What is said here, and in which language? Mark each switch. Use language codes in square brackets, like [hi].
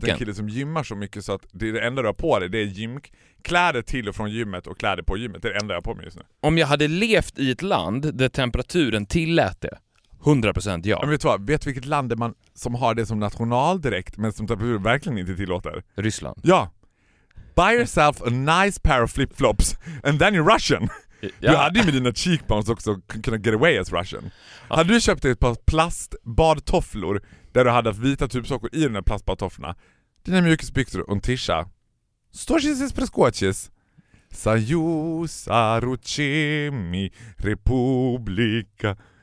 [sv] Det är en kille som gymmar så mycket så att det enda du har på dig, det är gymkläder till och från gymmet och kläder på gymmet. Det är det enda jag har på mig just nu. Om jag hade levt i ett land där temperaturen tillät det, 100% ja. Men vet du vilket land är man som har det som nationaldräkt men som temperaturen verkligen inte tillåter? Ryssland. Ja. [en] Buy yourself a nice pair of flip-flops and then you're Russian. [sv] Ja. Du hade ju med dina cheekbones också kunnat [en] get away as Russian. [sv] Ja. Hade du köpt ett par plastbadtofflor där du hade vita tubsockor i de där plastbadtofflorna, dina mjukisbyxor och en tisha, storchises preskotches, sajusa ruchemi republika.